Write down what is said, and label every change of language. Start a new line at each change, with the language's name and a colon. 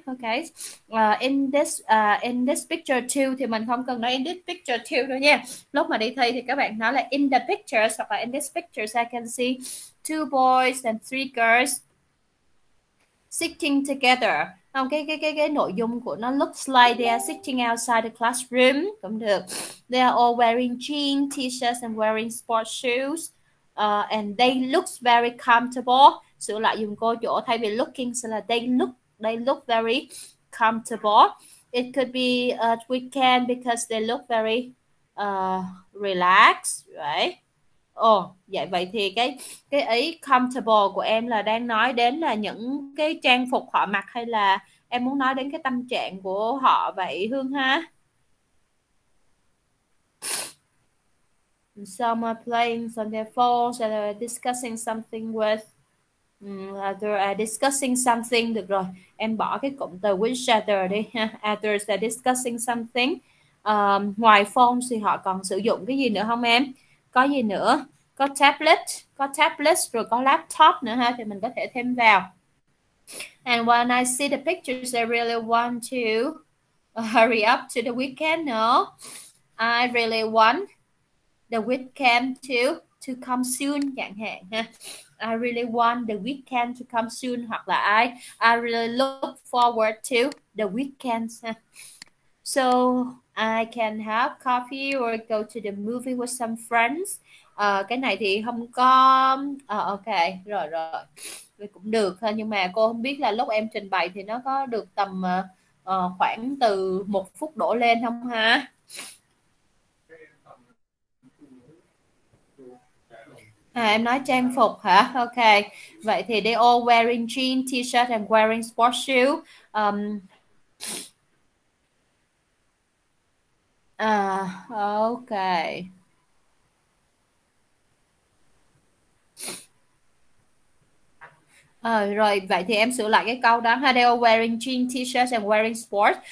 Vietnamese: Ok.
English: In this picture too
Vietnamese: thì mình không cần nói
English: in this picture too
Vietnamese: đâu nha. Lúc mà đi thi thì các bạn nói là
English: in the pictures
Vietnamese: hoặc là
English: in this pictures I can see two boys and three girls sitting together.
Vietnamese: Không, cái nội dung của nó
English: looks like they are sitting outside the classroom
Vietnamese: cũng được.
English: They are all wearing jeans, t-shirts and wearing sports shoes. And they look very comfortable.
Vietnamese: Sửa lại dùng cô chỗ thay vì looking sẽ là
English: they look very comfortable. It could be a weekend because they look very relaxed, right?
Vietnamese: Ồ, vậy vậy thì cái ý comfortable của em là đang nói đến là những cái trang phục họ mặc, hay là em muốn nói đến cái tâm trạng của họ vậy Hương ha?
English: Some are playing on their phones and are discussing something with they are discussing something.
Vietnamese: Được rồi, em bỏ cái cụm từ
English: with each other
Vietnamese: đi ha.
English: Others are discussing something.
Vietnamese: Ngoài phone thì họ còn sử dụng cái gì nữa không em? Có gì nữa? Có tablet rồi có laptop nữa ha, thì mình có thể thêm vào.
English: And when I see the pictures, I really want to hurry up to the weekend. No, I really want the weekend to come soon,
Vietnamese: chẳng hạn ha.
English: I really want the weekend to come soon,
Vietnamese: hoặc là
English: I really look forward to the weekend ha. So I can have coffee or go to the movie with some friends.
Vietnamese: Cái này thì không có. Ok, rồi rồi. Cũng được, nhưng mà cô không biết là lúc em trình bày thì nó có được tầm khoảng từ 1 phút đổ lên không ha? À, em nói trang phục hả? Ok. Vậy thì
English: they all wearing jeans, t-shirt and wearing sports shoes. Ok.
Vietnamese: Rồi vậy thì em sửa lại cái câu đó ha.
English: They are wearing jean t-shirts and wearing sports.